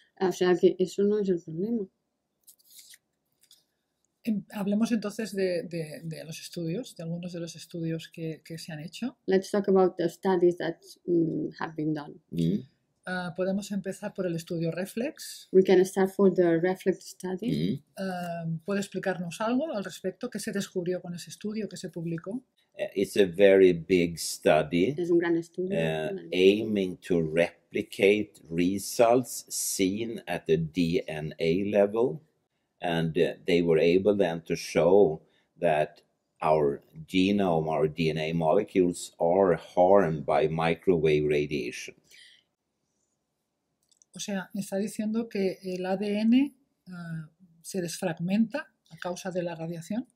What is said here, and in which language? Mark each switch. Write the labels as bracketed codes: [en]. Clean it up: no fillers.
[es] O sea que eso no es el problema. Hablemos entonces de los estudios, de algunos de los estudios que se han hecho. [en] Let's talk about the studies that have been done. Mm-hmm. [es] Podemos empezar por el estudio reflex. [en] We can start for the reflex study. Mm-hmm. [es] ¿Puede explicarnos algo al respecto? ¿Qué se descubrió con ese estudio? ¿Qué se publicó? [en] It's a very big study. [es] Es un gran estudio. [en] Aiming to replicate results seen at the DNA level. And they were able then to show that our genome, our DNA molecules, are harmed by microwave radiation. [es] O sea, me está diciendo que el ADN se desfragmenta a causa de la radiación.